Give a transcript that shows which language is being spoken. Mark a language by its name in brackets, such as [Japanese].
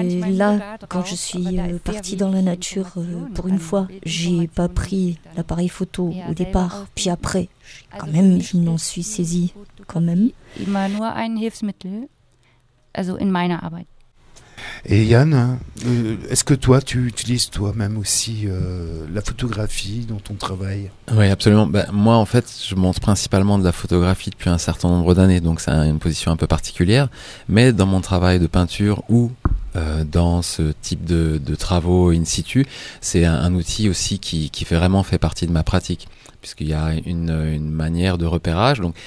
[French] Là, quand je suis partie dans la nature, pour une fois, j'ai pas pris l'appareil photo au départ, puis après, quand même, je m'en suis saisie, quand même. [German] Immer nur ein Hilfsmittel, also in meiner Arbeit. [French] Et Yann, est-ce que toi, tu utilises toi-même aussi la photographie dans ton travail? Oui, absolument. Ben, moi, en fait, je monte principalement de la photographie depuis un certain nombre d'années, donc c'est une position un peu particulière. Mais dans mon travail de peinture ou dans ce type de travaux in situ, c'est un outil aussi qui fait partie de ma pratique, puisqu'il y a une manière de repérage.